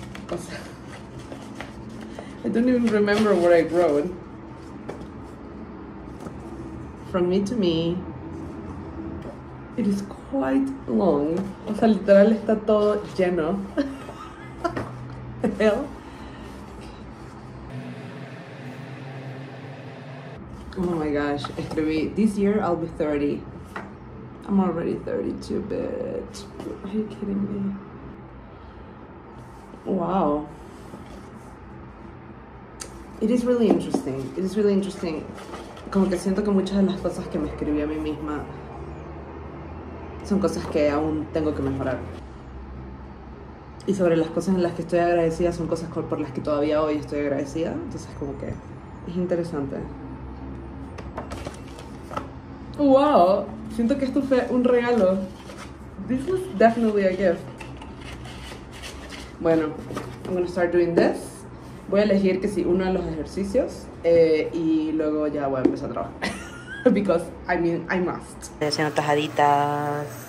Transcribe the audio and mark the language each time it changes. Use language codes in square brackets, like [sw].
[es] O sea, [en] I don't even remember where I've grown. From me to me, it is quite long. [es] O sea, literal está todo lleno. [en] Hell. Oh my gosh, [es] escribí, [en] this year I'll be 30. I'm already 32, bitch. Are you kidding me? Wow. It is really interesting. It is really interesting. [es] Como que siento que muchas de las cosas que me escribí a mí misma son cosas que aún tengo que mejorar. Y sobre las cosas en las que estoy agradecida son cosas por las que todavía hoy estoy agradecida. Entonces, como que es interesante. ¡Wow! Siento que esto fue un regalo. [en] This was definitely a gift. [es] Bueno, [en] I'm gonna start doing this. [es] Voy a elegir que sí, uno de los ejercicios. Y luego ya voy a empezar a trabajar. [en] Because, I mean, I must. [es] Estoy haciendo tajaditas.